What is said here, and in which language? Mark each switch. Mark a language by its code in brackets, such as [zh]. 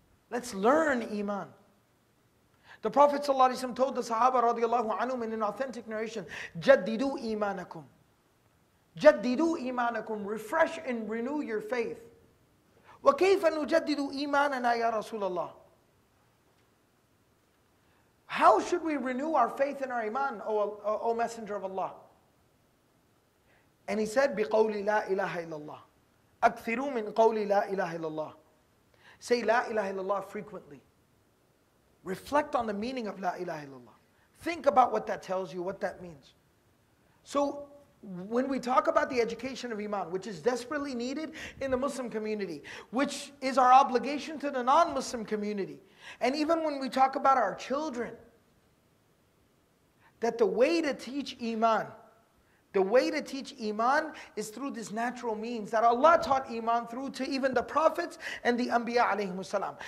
[en] Let's learn iman. The Prophet ﷺ told the Sahaba radiallahu anhum in an authentic narration, [ar] jaddidu imanakum. Jaddidu imanakum. [en] Refresh and renew your faith. [ar] Wa kayfa nujaddidu imanana ya Rasulullah? [en] How should we renew our faith and our iman, O Messenger of Allah? And he said, [ar] بِقَوْلِ لَا إِلَهَ إِلَى اللَّهِ أَكْثِرُوا مِنْ قَوْلِ لَا إِلَهَ إِلَى اللَّهِ. [en] Say [ar] La ilaha illallah [en] frequently. Reflect on the meaning of La ilaha illallah. Think about what that tells you, what that means. So when we talk about the education of Iman, which is desperately needed in the Muslim community, which is our obligation to the non-Muslim community, and even when we talk about our children, that the way to teach Iman, the way to teach Iman is through this natural means that Allah taught Iman through to even the Prophets and the Anbiya alayhimu salam.